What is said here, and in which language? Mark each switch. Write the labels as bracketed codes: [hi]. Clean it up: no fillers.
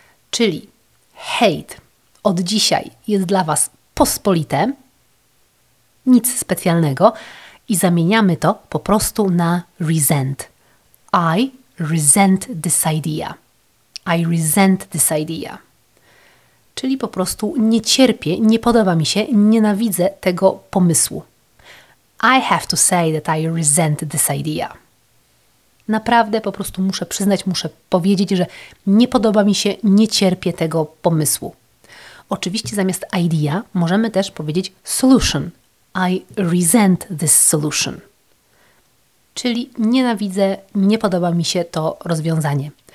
[pl] Czyli hate od dzisiaj jest dla Was pospolite, nic specjalnego i zamieniamy to po prostu na resent. [en] I resent this idea. I resent this idea. [pl] Czyli po prostu nie cierpię, nie podoba mi się, nienawidzę tego pomysłu. [en] I have to say that I resent this idea. [pl] Naprawdę po prostu muszę przyznać, muszę powiedzieć, że nie podoba mi się, nie cierpię tego pomysłu. Oczywiście zamiast idea możemy też powiedzieć solution. [en] I resent this solution. [pl] Czyli nienawidzę, nie podoba mi się to rozwiązanie.